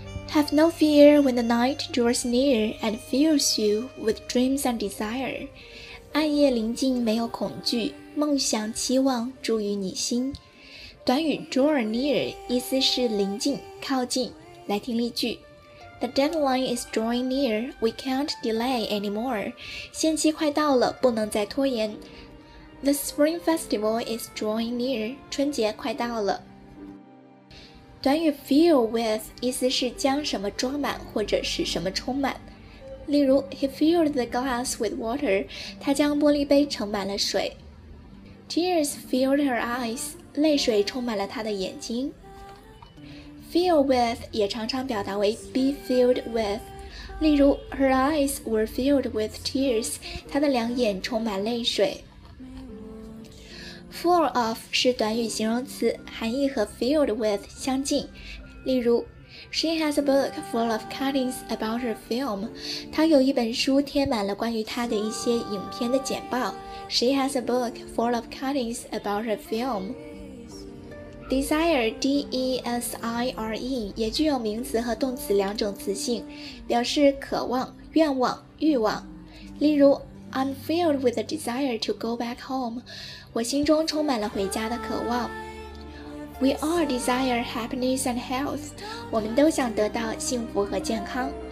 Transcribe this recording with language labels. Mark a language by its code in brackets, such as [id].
[en] Have no fear when the night draws near and fills you with dreams and desire. [zh] 暗夜临近没有恐惧，梦想期望住于你心。短语 draw near 意思是临近、靠近。来听例句。 [en] The deadline is drawing near, we can't delay anymore. [zh] 限期快到了，不能再拖延。 [en] The spring festival is drawing near, [zh] 春节快到了。短语 fill with 意思是将什么装满或者使什么充满。例如 [en] ,He filled the glass with water, [zh] 他将玻璃杯盛满了水。 [en] Tears filled her eyes, [zh] 泪水充满了他的眼睛。 Fill with 也常常表达为 be filled with。例如 [en] ,Her eyes were filled with tears, [zh] 他的两眼充满泪水。 Full of 是短语形容词，含义和 filled with 相近。例如 [en] ,She has a book full of cuttings about her film. [zh] 她有一本书贴满了关于她的一些影片的简报。 [en] She has a book full of cuttings about her film. [zh] Desire, D-E-S-I-R-E, 也具有名词和动词两种词性，表示渴望、愿望、欲望。例如 [en] ,I'm filled with a desire to go back home. [zh] 我心中充满了回家的渴望。 [en] We all desire happiness and health. [zh] 我们都想得到幸福和健康。